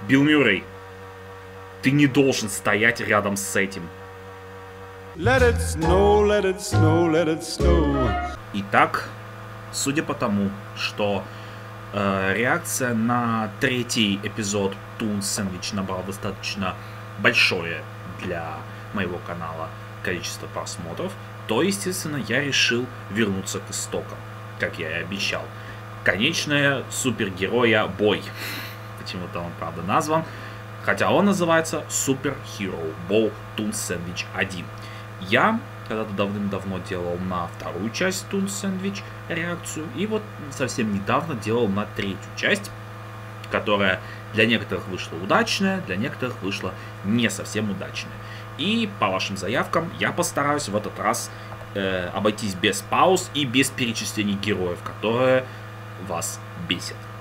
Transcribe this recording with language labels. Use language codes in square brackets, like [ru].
[ru] Билл Мюррей, ты не должен стоять рядом с этим. [en] Let it snow, let it snow, let it snow. [ru] Итак, судя по тому, что реакция на третий эпизод Toon Sandwich набрала достаточно большое для моего канала количество просмотров, то, естественно, я решил вернуться к истокам, как я и обещал. Конечная супергероя Бой. Почему-то он, правда, назван. Хотя он называется Super Hero Bowl Toon Sandwich 1. Я когда-то давным-давно делал на вторую часть Toon Sandwich реакцию. И вот совсем недавно делал на третью часть, которая для некоторых вышла удачная, для некоторых вышла не совсем удачная. И по вашим заявкам я постараюсь в этот раз обойтись без пауз и без перечислений героев, которые вас бесят.